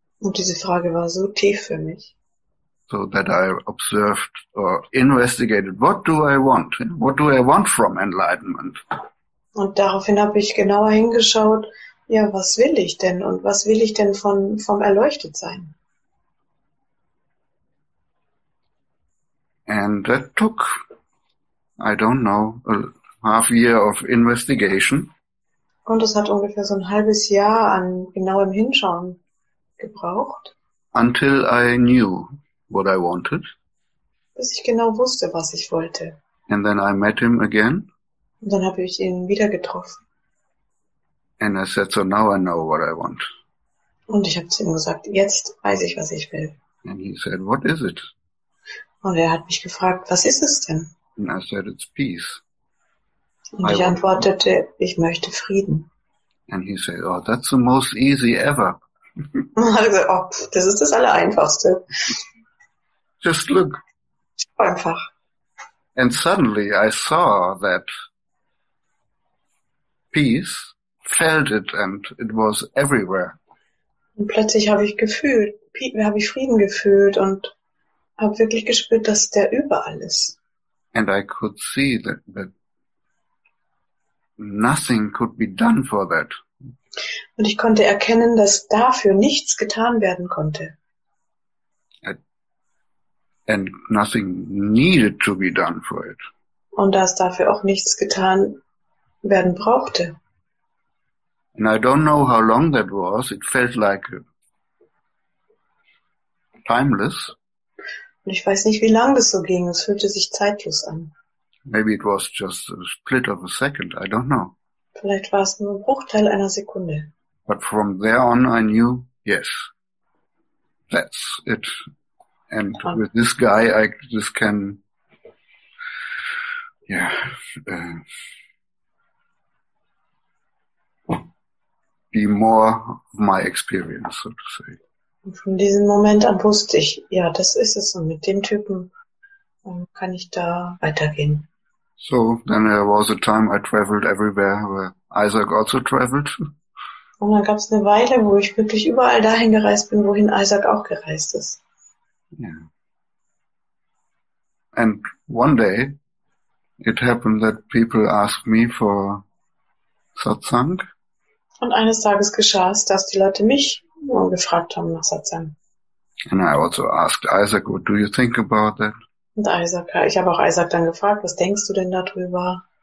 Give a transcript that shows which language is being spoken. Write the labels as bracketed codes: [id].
[de] Und diese Frage war so tief für mich. [en] So that I observed or investigated, what do I want? What do I want from enlightenment? [de] Und daraufhin habe ich genauer hingeschaut, ja, was will ich denn? Und was will ich denn vom Erleuchtetsein? [en] And that took, I don't know, a half year of investigation. [de] Und es hat ungefähr so ein halbes Jahr an genauem Hinschauen gebraucht. [en] Until I knew what I wanted. [de] Bis ich genau wusste, was ich wollte. [en] And then I met him again. [de] Und dann habe ich ihn wieder getroffen. [en] And I said, so now I know what I want. [de] Und ich habe zu ihm gesagt, jetzt weiß ich, was ich will. [en] And he said, what is it? [de] Und er hat mich gefragt, was ist es denn? [en] And I said, it's peace. [de] Und ich antwortete, ich möchte Frieden. [en] And he said, oh, that's the most easy ever. [de] Und hat gesagt, oh, das ist das Allereinfachste. [en] Just look. [de] Einfach. [en] And suddenly I saw that peace, felt it, and it was everywhere. [de] Und plötzlich habe ich Frieden gefühlt und habe wirklich gespürt, dass der überall ist. [en] And I could see that nothing could be done for that. [de] Und ich konnte erkennen, dass dafür nichts getan werden konnte. [en] And nothing needed to be done for it. [de] Und dass dafür auch nichts getan werden brauchte. [en] And I don't know how long that was. It felt like timeless. [de] Und ich weiß nicht, wie lang das so ging. Es fühlte sich zeitlos an. [en] Maybe it was just a split of a second. I don't know. [de] Vielleicht war es nur ein Bruchteil einer Sekunde. [en] But from there on I knew, yes, that's it. And with this guy, I just can, yeah, be more of my experience, so to say. [de] Und von diesem Moment an wusste ich, ja, das ist es, und mit dem Typen kann ich da weitergehen. [en] So, then there was a time I traveled everywhere, where Isaac also traveled. [de] Und dann gab es eine Weile, wo ich wirklich überall dahin gereist bin, wohin Isaac auch gereist ist. Yeah. [en] And one day it happened that people asked me for satsang. [de] Und eines Tages geschah es, dass die Leute mich gefragt haben nach Satsang. [en] And I also asked Isaac, what do you think about that? [de] Und Isaac, ich habe auch Isaac dann gefragt, was denkst du denn darüber?